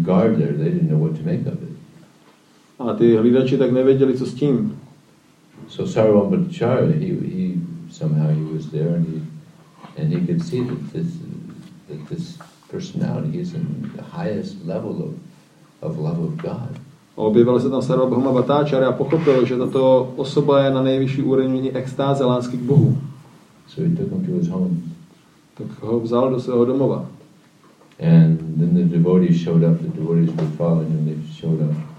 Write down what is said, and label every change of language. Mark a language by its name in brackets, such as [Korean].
[English] guard there, they didn't know what to make of it. [Czech] A ty hlídači tak nevěděli, co s tím. [English] So Sarvam Bhattacharya, he somehow he was there and he could see that this personality is in the highest level of love of God. [Czech] Objevil se tam Sarvabhauma Bhattacharya a pochopil, že tato osoba je na nejvyšší úrovni extáze lásky k Bohu. [English] So he took him to his home. [Czech] Tak ho vzal do svého domova. [English] And then the devotees showed up. The devotees were following him. They showed up.